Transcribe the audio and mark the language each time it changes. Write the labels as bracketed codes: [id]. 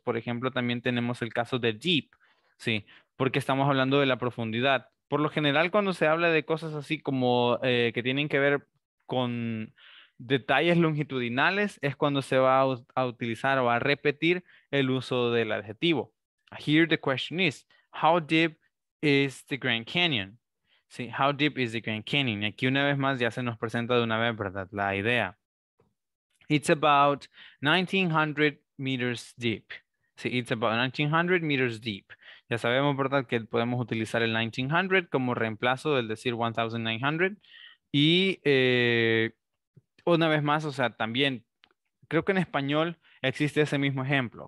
[es] Por ejemplo, también tenemos el caso de deep, ¿sí? Porque estamos hablando de la profundidad. Por lo general, cuando se habla de cosas así como que tienen que ver con detalles longitudinales, es cuando se va a utilizar o a repetir el uso del adjetivo. [en] Here the question is, how deep is the Grand Canyon? [es] ¿Sí? [en] How deep is the Grand Canyon? [es] Aquí una vez más ya se nos presenta de una vez, ¿verdad?, la idea. [en] It's about 1900 meters deep. [es] Sí, [en] it's about 1900 meters deep. [es] Ya sabemos, ¿verdad?, que podemos utilizar el 1900 como reemplazo del decir 1900. Y una vez más, o sea, también creo que en español existe ese mismo ejemplo.